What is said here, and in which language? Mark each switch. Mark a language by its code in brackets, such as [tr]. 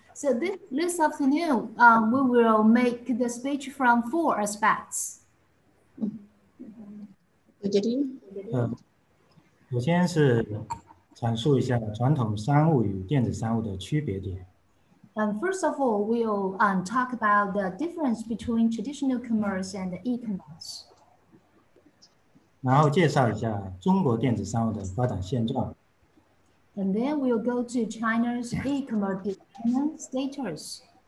[en] So this afternoon, we will make the speech from four aspects. [zh] 首先是阐述一下传统商务与电子商务的区别点。 [en] First of all, we'll talk about the difference between traditional commerce and e-commerce. [zh] 然后介绍一下中国电子商务的发展现状。 [en] And then we'll go to China's e-commerce status.